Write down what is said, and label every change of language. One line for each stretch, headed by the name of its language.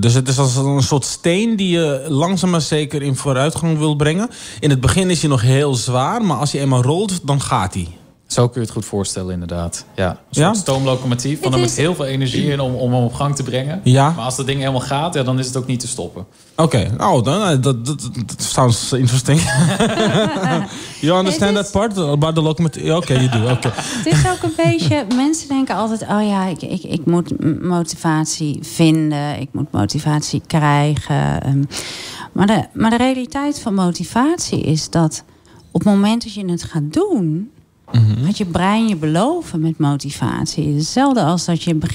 Dutch: Dus het is als een soort steen die je langzaam maar zeker in vooruitgang wil brengen. In het begin is hij nog heel zwaar, maar als hij eenmaal rolt, dan gaat hij. Zo kun je het goed voorstellen, inderdaad. Ja, een soort stoomlocomotief van hem met heel veel energie in om hem op gang te brengen. Ja. Maar als dat ding helemaal gaat, ja, dan is het ook niet te stoppen.
English: Oké, okay. Oh,
Dutch: dat
English: sounds interesting. You understand that part about the locomotief? Oké, you do. Okay.
Dutch: Het is ook een beetje, mensen denken altijd, oh ja, ik moet motivatie vinden, ik moet motivatie krijgen. Maar de realiteit van motivatie is dat op het moment dat je het gaat doen... Had je brein je beloven met motivatie. Hetzelfde als dat je...